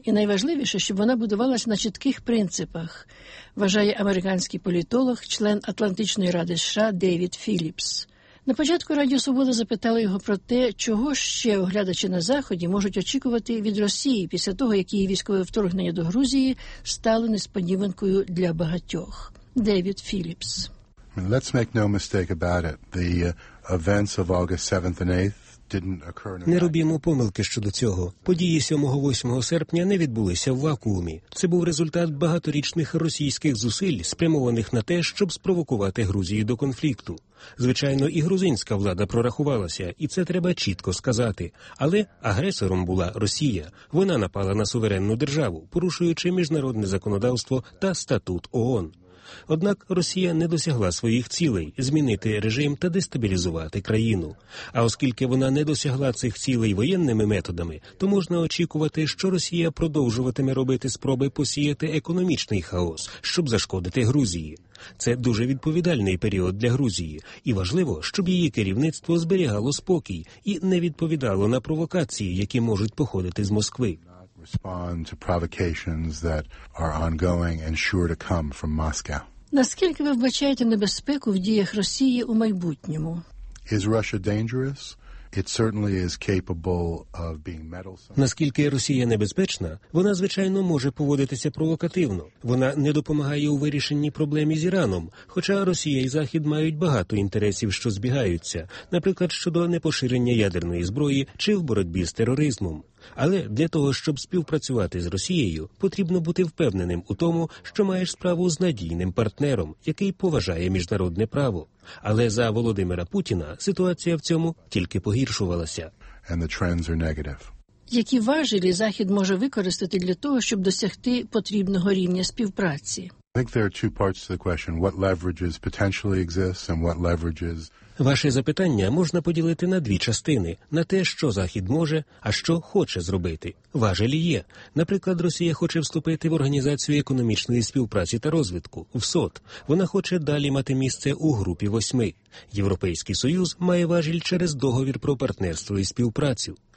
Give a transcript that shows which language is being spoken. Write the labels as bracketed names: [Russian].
[Ukrainian] І найважливіше, щоб вона будувалась на чітких принципах, вважає американський політолог, член Атлантичної ради США Девід Філіпс. На початку Радіо Свобода запитали його про те, чого ще оглядачі на Заході можуть очікувати від Росії після того, як її військове вторгнення до Грузії стало несподіванкою для багатьох. Девід Філіпс. [English] Let's make no mistake about it. The events of August 7th and 8th. [Ukrainian] Не робімо помилки щодо цього. Події 7-8 серпня не відбулися в вакуумі. Це був результат багаторічних російських зусиль, спрямованих на те, щоб спровокувати Грузію до конфлікту. Звичайно, і грузинська влада прорахувалася, і це треба чітко сказати. Але агресором була Росія. Вона напала на суверенну державу, порушуючи міжнародне законодавство та статут ООН. Однак Росія не досягла своїх цілей – змінити режим та дестабілізувати країну. А оскільки вона не досягла цих цілей воєнними методами, то можна очікувати, що Росія продовжуватиме робити спроби посіяти економічний хаос, щоб зашкодити Грузії. Це дуже відповідальний період для Грузії, і важливо, щоб її керівництво зберігало спокій і не відповідало на провокації, які можуть походити з Москви. [English] Respond to provocations that are ongoing and sure to come from Moscow. [Ukrainian] Наскільки ви вбачаєте небезпеку в діях Росії у майбутньому? [English] Is Russia dangerous? It certainly is capable of being meddlesome. [Ukrainian] Наскільки Росія небезпечна? Вона, звичайно, може поводитися провокативно. Вона не допомагає у вирішенні проблем із Іраном, хоча Росія і Захід мають багато інтересів, що збігаються, наприклад, щодо непоширення ядерної зброї чи в боротьбі з тероризмом. Але для того, щоб співпрацювати з Росією, потрібно бути впевненим у тому, що маєш справу з надійним партнером, який поважає міжнародне право. Але за Володимира Путіна ситуація в цьому тільки погіршувалася. [English] And the trends are negative. [Ukrainian] Які важелі Захід може використати для того, щоб досягти потрібного рівня співпраці? [English] I think there are two parts to the question. What leverages potentially exist and what leverages... [Ukrainian] Ваше запитання можна поділити на дві частини – на те, що Захід може, а що хоче зробити. Важелі є. Наприклад, Росія хоче вступити в Організацію економічної співпраці та розвитку – в СОТ. Вона хоче далі мати місце у групі восьми. Європейський Союз має важіль через договір про партнерство і співпрацю.